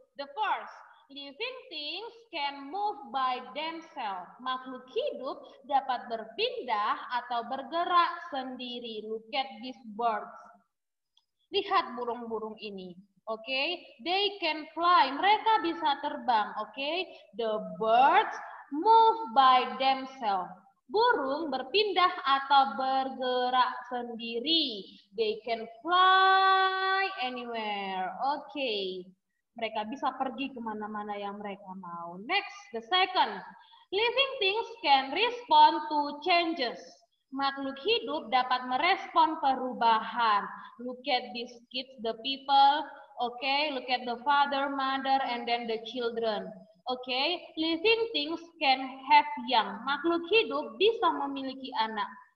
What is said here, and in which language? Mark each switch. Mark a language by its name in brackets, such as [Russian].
[English] The first, living things can move by themselves. [Indonesian] Makhluk hidup dapat berpindah atau bergerak sendiri. [English] Look at these birds. [Indonesian] Lihat burung-burung ini. [English] Okay? They can fly. [Indonesian] Mereka bisa terbang. [English] Okay? The birds move by themselves. [Indonesian] Burung berpindah atau bergerak sendiri. [English] They can fly anywhere. Okay. [Indonesian] Mereka bisa pergi kemana-mana yang mereka mau. [English] Next, the second. Living things can respond to changes. [Indonesian] Makhluk hidup dapat merespon perubahan. [English] Look at these kids, the people. Okay, look at the father, mother, and then the children. Okay, living things can have young. [Indonesian] Makhluk hidup bisa memiliki anak.